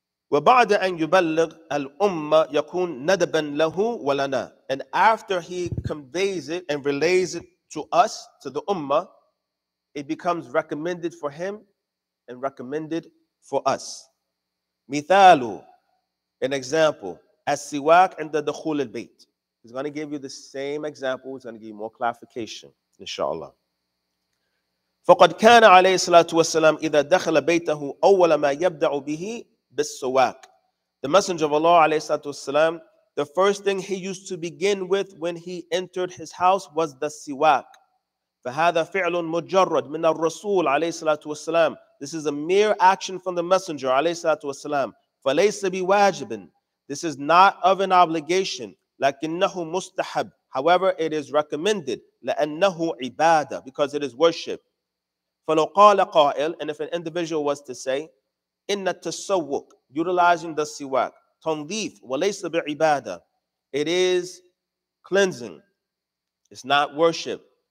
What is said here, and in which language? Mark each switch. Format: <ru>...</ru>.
<ar>وبعد أن يبلغ الأمة يكون ندبا له ولنا.</ar> <en>And after he conveys it and relays it to us, to the Ummah, it becomes recommended for him and recommended for us.</en> <ar>مثال,</ar> <en>an example,</en> <ar>السواك عند دخول البيت.</ar> <en>He's going to give you the same example. He's going to give you more clarification, inshallah.</en> <ar>فقد كان عليه الصلاة والسلام إذا دخل بيته أول ما يبدع به بالسواك.</ar> <en>The Messenger of Allah,</en> <ar>عليه الصلاة والسلام,</ar> <en>the first thing he used to begin with when he entered his house was the siwak.</en> <ar>فهذا فعل مجرد من الرسول عليه الصلاة والسلام.</ar> <en>This is a mere action from the Messenger,</en> <ar>عليه الصلاة والسلام. فليس بواجب.</ar> <en>This is not of an obligation.</en> <ar>لكنه مستحب.</ar> <en>However, it is recommended.</en> <ar>لأنه عبادة,</ar> <en>because it is worship.</en> <ar>فلو قال قائل,</ar> <en>and if an individual was to say,</en> <ar>إن التسوق,</ar> <en>utilizing the siwak,</en> <ar>تنظيف وليس بعبادة,</ar> <en>it is cleansing, it's not worship.</en>